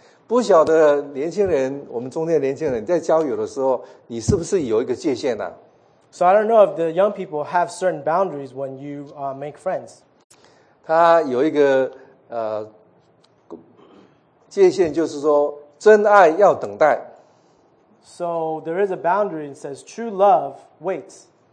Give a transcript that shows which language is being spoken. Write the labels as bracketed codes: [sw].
[zh] 不晓得年轻人，我们中年年轻人在交友的时候，你是不是有一个界限呢？ [en] So I don't know if the young people have certain boundaries when you make friends. [zh] 他有一个。界限就是说，真爱要等待。So [en] there is a boundary that says true love waits.